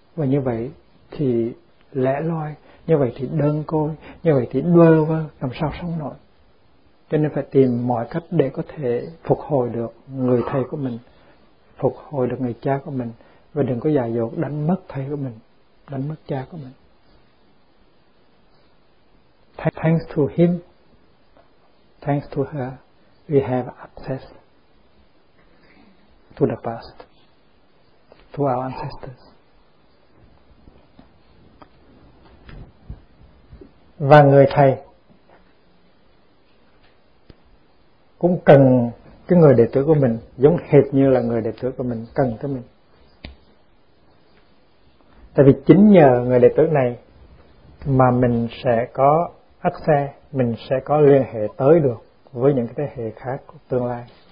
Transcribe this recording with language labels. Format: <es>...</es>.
<vi>Và như vậy thì lẻ loi, như vậy thì đơn côi, như vậy thì đơ vơ, làm sao sống nổi. Cho nên phải tìm mọi cách để có thể phục hồi được người thầy của mình, phục hồi được người cha của mình. Và đừng có dại dột đánh mất thầy của mình, đánh mất cha của mình.</vi> <en>Thanks to him, thanks to her, we have access to the past, to our ancestors.</en> <vi>Và người thầy cũng cần cái người đệ tử của mình, giống hệt như là người đệ tử của mình cần tới mình. Tại vì chính nhờ người đệ tử này mà mình sẽ có access, mình sẽ có liên hệ tới được với những cái thế hệ khác của tương lai.</vi>